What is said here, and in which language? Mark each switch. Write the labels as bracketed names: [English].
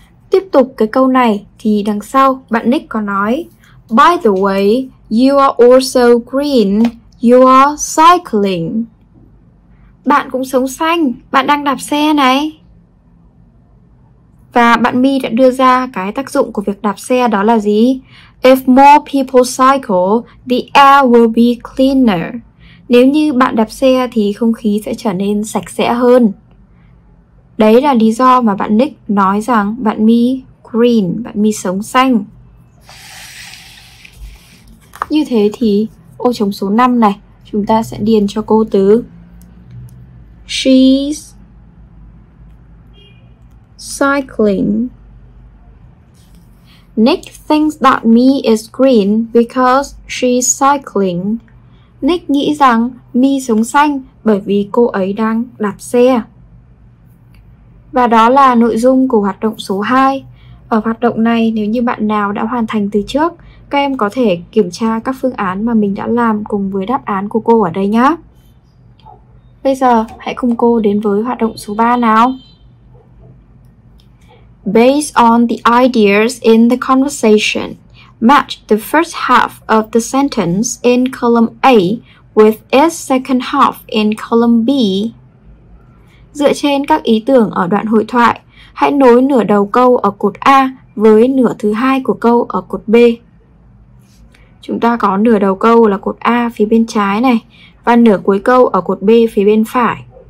[Vietnamese] Tiếp tục cái câu này thì đằng sau bạn Nick có nói [English] By the way, you are also green. You are cycling. [Vietnamese] Bạn cũng sống xanh, bạn đang đạp xe này. Và bạn Mi đã đưa ra cái tác dụng của việc đạp xe đó là gì? [English] If more people cycle, the air will be cleaner. [Vietnamese] Nếu như bạn đạp xe thì không khí sẽ trở nên sạch sẽ hơn. Đấy là lý do mà bạn Nick nói rằng bạn Mi green, bạn Mi sống xanh. Như thế thì ô trống số 5 này chúng ta sẽ điền cho cô từ [English] She's cycling. Nick thinks that Mi is green because she's cycling. [Vietnamese] Nick nghĩ rằng Mi sống xanh bởi vì cô ấy đang đạp xe. Và đó là nội dung của hoạt động số 2. Ở hoạt động này, nếu như bạn nào đã hoàn thành từ trước, các em có thể kiểm tra các phương án mà mình đã làm cùng với đáp án của cô ở đây nhé. Bây giờ, hãy cùng cô đến với hoạt động số 3 nào. [English] Based on the ideas in the conversation, match the first half of the sentence in column A with its second half in column B. [Vietnamese] Dựa trên các ý tưởng ở đoạn hội thoại, hãy nối nửa đầu câu ở cột A với nửa thứ hai của câu ở cột B. Chúng ta có nửa đầu câu là cột A phía bên trái này và nửa cuối câu ở cột B phía bên phải.